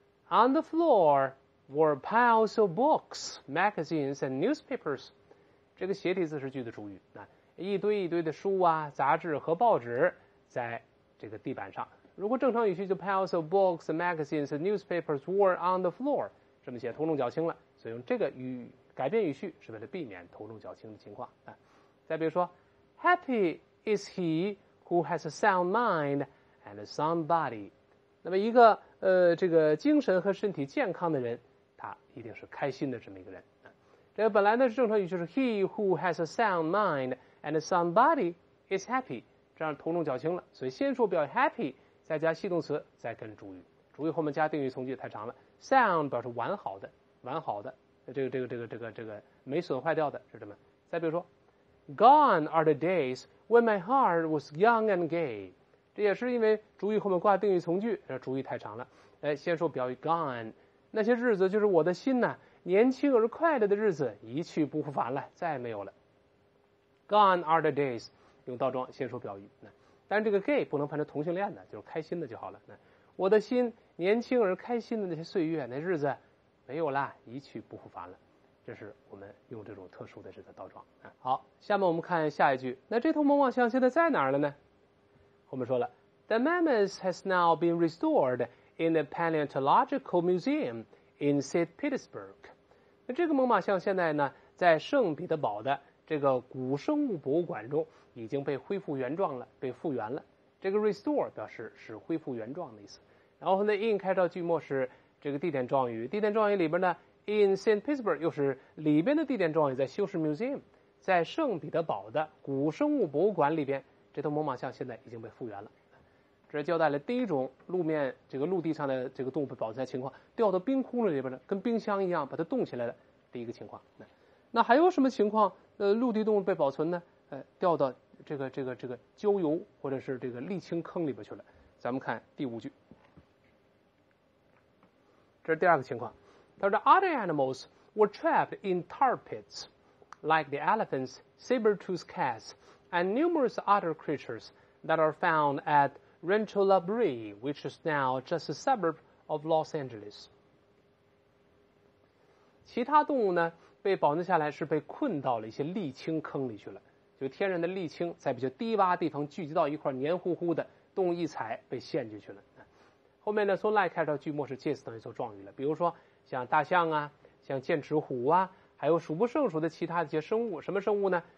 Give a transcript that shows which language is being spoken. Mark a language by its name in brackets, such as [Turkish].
[English] On the floor were piles of books, magazines, and newspapers. [Chinese] 这个斜体字是句的主语，一堆一堆的书啊、杂志和报纸在这个地板上。如果正常语序就 piles of books, magazines, and newspapers were on the floor，这么写头重脚轻了，所以用这个语改变语序是为了避免头重脚轻的情况。 [English] 再比如说 Happy is he who has a sound mind and a sound body。 [Chinese] 那么一个这个精神和身体健康的人，他一定是开心的这么一个人。 [English] 这个本来呢正常语就是 He who has a sound mind and a sound body is happy， [Chinese] 这样头重脚轻了，所以先说表示 happy， 再加系动词，再跟主语，主语后面加定语从句太长了。 Sound 表示完好的，完好的，这个没损坏掉的，是这么。再比如说 ， Gone are the days when my heart was young and gay，这也是因为主语后面挂定语从句，这主语太长了。先说表语 gone， 那些日子就是我的心呢、啊，年轻而快乐的日子一去不复返了，再也没有了。 Gone are the days，用倒装先说表语。但这个 gay 不能翻成同性恋的，就是开心的就好了。我的心，年轻而开心的那些岁月，那日子没有了，一去不复返了。这是我们用这种特殊的日子倒装。好，下面我们看下一句。那这头猛犸象现在在哪儿了呢？ [English] 后面说了，The mammoth has now been restored in the paleontological museum in St. Petersburg。 [Chinese] 那这个猛犸象现在呢，在圣彼得堡的这个古生物博物馆中已经被恢复原状了，被复原了。这个 restore 表示是恢复原状的意思。然后呢 in 开头句末是这个地点状语，地点状语里边呢 in St. Petersburg 又是里边的地点状语，在修士 museum， 在圣彼得堡的古生物博物馆里边，这头猛犸象现在已经被复原了。这交代了第一种路面这个陆地上的这个动物被保存的情况，掉到冰窟窿里边的，跟冰箱一样把它冻起来的第一个情况。那还有什么情况？陆地动物被保存呢？掉到这个焦油或者是这个沥青坑里边去了。咱们看第五句，这是第二个情况。 [English] 他说，Other animals were trapped in tar pits, like the elephants, saber-toothed cats, and numerous other creatures that are found at Rancho La Brea, which is now just a suburb of Los Angeles. [Chinese] 其他动物呢被保存下来是被困到了一些沥青坑里去了，就天然的沥青在比较低洼地方聚集到一块，黏糊糊的，动物一踩被陷进去了。后面呢从 like 开始到句末是介词，等于做状语了。比如说像大象啊，像剑齿虎啊，还有数不胜数的其他的一些生物，什么生物呢？